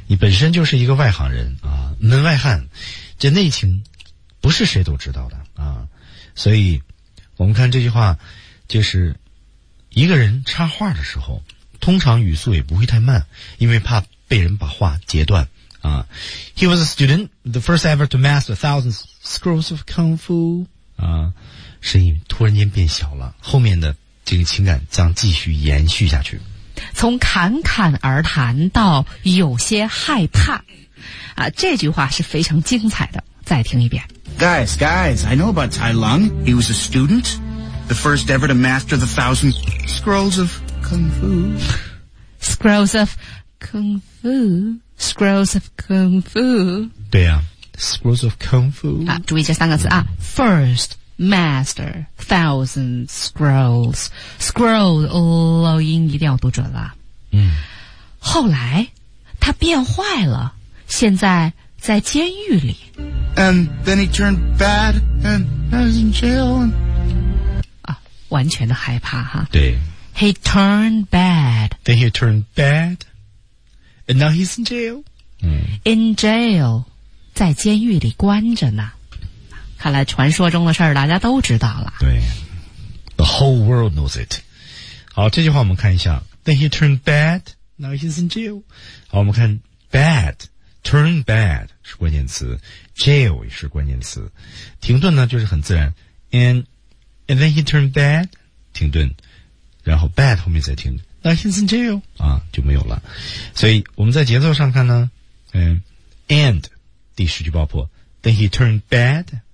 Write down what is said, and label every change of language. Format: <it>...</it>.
<zh>你本身就是一个外行人啊门外汉这内情不是谁都知道的啊所以我们看这句话就是一个人插话的时候通常语速也不会太慢因为怕被人把话截断啊</zh> <en>He was a student, the first ever to master thousands scrolls of kung fu,</en> <zh>啊声音突然间变小了后面的这个情感将继续延续下去从侃侃而谈到有些害怕啊，这句话是非常精彩的再听一遍</zh> <en>Guys, I know about Tai Lung He was a student The first ever to master the thousand scrolls of kung fu Scrolls of kung fu Scrolls of kung fu</en> <zh>对啊</zh> <en>Scrolls of kung fu</en> <zh>啊，注意这三个字啊</zh> <en>FirstMaster, thousand scrolls, scroll,</en> <zh>老音一定要读准了。后来他变坏了，现在在监狱里。</zh> <en>And then he turned bad and was in jail.</en> <zh>啊，完全的害怕哈。对。</zh> <en>He turned bad. Then he turned bad, and now he's in jail. In jail,</en> <zh>在监狱里关着呢。看来传说中的事儿大家都知道了。对 ，</zh> <en>The whole world knows it。</en> <zh>好，这句话我们看一下。</zh> <en>Then he turned bad, now he's in jail。</en> <zh>好，我们看 bad, turn bad 是关键词 ，jail 也是关键词。停顿呢就是很自然。</zh> <en>And then he turned bad，</en> <zh>停顿，然后 bad 后面再停顿 ，</zh> <en>now he's in jail</en> <zh>啊就没有了。所以我们在节奏上看呢，and 第十句爆破 ，</zh> <en>then he turned bad。</en>